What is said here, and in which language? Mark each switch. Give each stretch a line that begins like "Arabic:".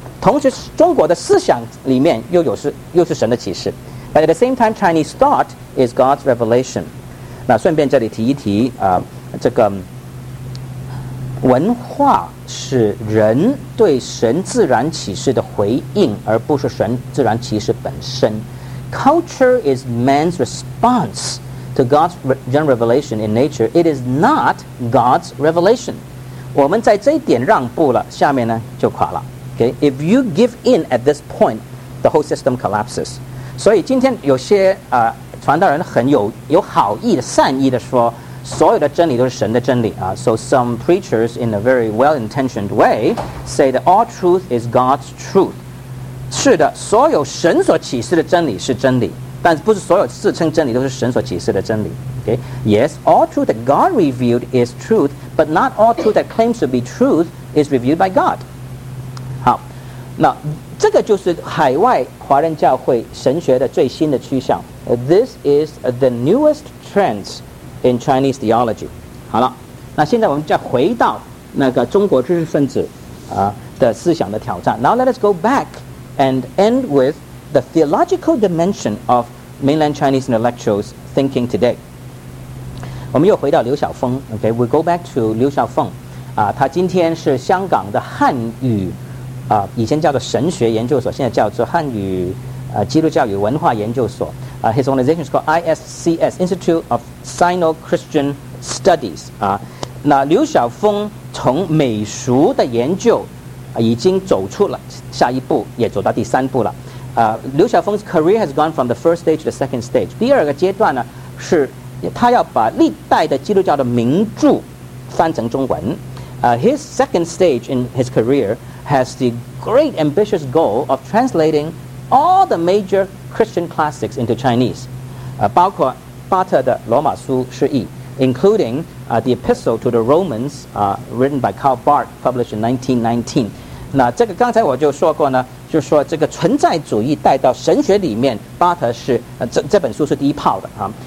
Chinese: 同时中国的思想里面又是神的启示。
English: But at the same time Chinese thought is God's revelation。
Chinese: 那顺便这里提一提啊，这个文化是人对神自然启示的回应，而不是神自然启示本身。
English: Culture is man's responseto God's general revelation in nature. It is not God's revelation.
Chinese: 我们在这一点让步了，下面呢就垮了。
English: Okay? If you give in at this point, the whole system collapses.
Chinese: 所以今天有些传道人很有好意的善意的说，所有的真理都是神的真理啊。
English: So some preachers in a very well-intentioned way say that all truth is God's truth.
Chinese: 是的，所有神所启示的真理是真理，但不是所有自称真理都是神所启示的真理。
English: Okay? Yes, all truth that God revealed is truth, but not all truth that claims to be truth is revealed by God.
Chinese: 好，那这个就是海外华人教会神学的最新的趋向。
English: This is the newest trends in Chinese theology.
Chinese: 好了，那现在我们再回到那个中国知识分子的思想的挑战。
English: Now let us go back and end withthe theological dimension of mainland Chinese intellectuals thinking today.
Chinese: 我们又回到刘晓峰。
English: Okay, we go back to 刘晓峰。
Chinese: 他今天是香港的汉语以前叫做神学研究所，现在叫做汉语基督教与文化研究所。
English: His organization is called ISCS, Institute of Sino-Christian Studies.
Chinese: 那刘晓峰从美术的研究已经走出了下一步，也走到第三步了。
English: 刘晓峰's career has gone from the first stage to the second stage.
Chinese: 第二个阶段呢，是他要把历代的基督教的名著翻成中文。
English: His second stage in his career has the great ambitious goal of translating all the major Christian classics into Chinese.
Chinese: 包括巴特的罗马书释义，
English: including the Epistle to the Romans, written by Karl Barth, published in 1919.
Chinese: 那这个刚才我就说过呢，就是说这个存在主义带到神学里面，巴特是这本书是第一炮的啊。